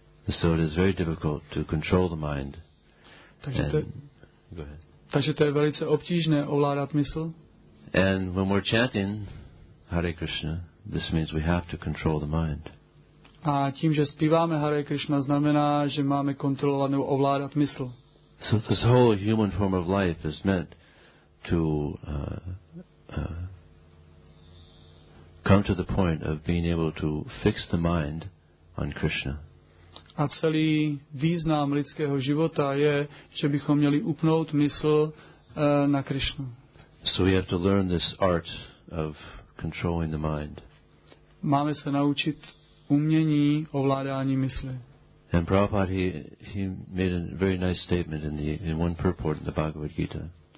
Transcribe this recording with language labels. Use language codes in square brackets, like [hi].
[en] So it is very difficult to control the mind. [cs] Takže to je velice obtížné ovládat mysl. [en] And when we're chanting Hare Krishna, this means we have to control the mind. [cs] A tím, že zpíváme Hare Krishna, znamená, že máme kontrolovat nebo ovládat mysl. [en] So this whole human form of life is meant to come to the point of being able to fix the mind on Krishna. [cs] A celý význam lidského života je, že bychom měli upnout mysl na Krishnu. [en] So we have to learn this art of controlling the mind. [cs] Máme se naučit umění ovládání mysli. [en] And Prabhupada he made a very nice statement in one purport in the Bhagavad Gita.